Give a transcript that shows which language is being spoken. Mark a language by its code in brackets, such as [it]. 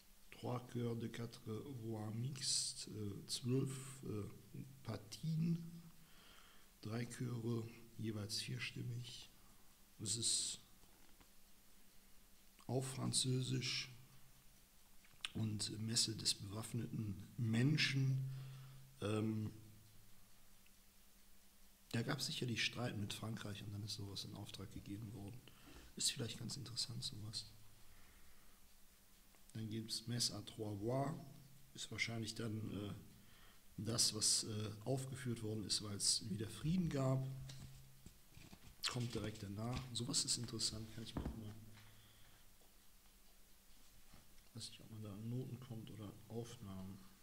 [fr] Trois coeurs de quatre voix mixtes, [de] 12 Partien. Drei Chöre, jeweils vierstimmig. Es ist auf Französisch und Messe des bewaffneten Menschen. Da gab es sicherlich Streit mit Frankreich und dann ist sowas in Auftrag gegeben worden. Ist vielleicht ganz interessant, sowas. Dann gibt es Messe à trois voix. Ist wahrscheinlich dann das, was aufgeführt worden ist, weil es wieder Frieden gab, kommt direkt danach. Sowas ist interessant, kann ich mir auch mal. Weiß nicht, ob man da an Noten kommt oder Aufnahmen.